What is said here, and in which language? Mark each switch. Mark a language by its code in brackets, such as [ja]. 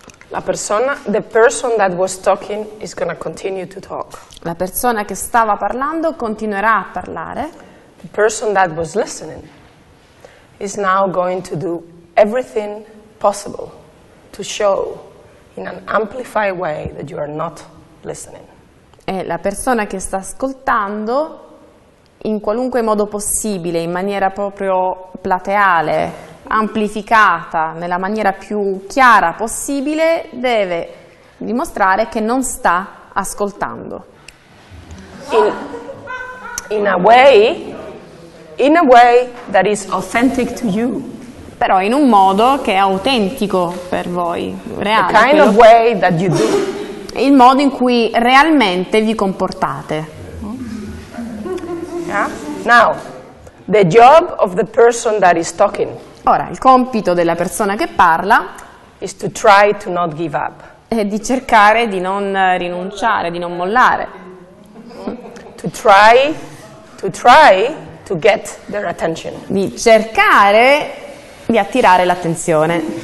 [it] La persona, [en] the person that was talking is gonna continue to talk. [it] La persona che stava parlando continuerà a parlare. [en] The person that was listening is now going to do everything possible to show in an amplified way that you are not listening. [it] E la persona che sta ascoltando in qualunque modo possibile, in maniera proprio plateale, amplificata, nella maniera più chiara possibile, deve dimostrare che non sta ascoltando. [en] In a way that is authentic to you. [it] Però in un modo che è autentico per voi, reale. [en] The kind of way that you do. [it] Il modo in cui realmente vi comportate. [en] Yeah? Now, the job of the person that is talking. [it] Ora, il compito della persona che parla [en] is to try to not give up. [it] È di cercare di non rinunciare, di non mollare. [en] To try to get their attention. [it] Di cercare di attirare l'attenzione.